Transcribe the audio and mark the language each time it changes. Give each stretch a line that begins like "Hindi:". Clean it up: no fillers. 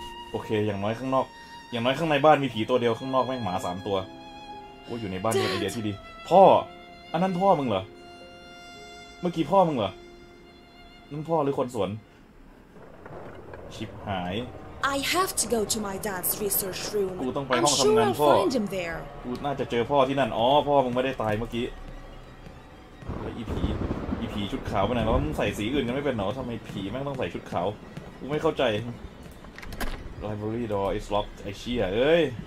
Thai: โอเคอย่างน้อยข้างนอกอย่างน้อยข้างในบ้านมีผีตัวเดียวข้างนอกแม่งหมา3ตัวกูอยู่ในบ้านมีไอเดียที่ดีพ่ออันนั้นพ่อมึงเหรอเมื่อกี้พ่อมึงเหรอนั่นพ่อหรือคนสวนชิบหาย
English: I have to go to my dad's research room
Thai: กูต้องไปห้องทำงานพ่อกูน่าจะเจอพ่อที่นั่นอ๋อพ่อมึงไม่ได้ตายเมื่อกี้ไอ้ผีไอ้ผีชุดขาวไปไหนแล้วมึงใส่สีอื่นกันไม่เป็นหรอทำไมผีแม่งต้องใส่ชุดขาวกูไม่เข้าใจ
English: Library door is locked
Thai: ไอ้เชี่ยเอ้ย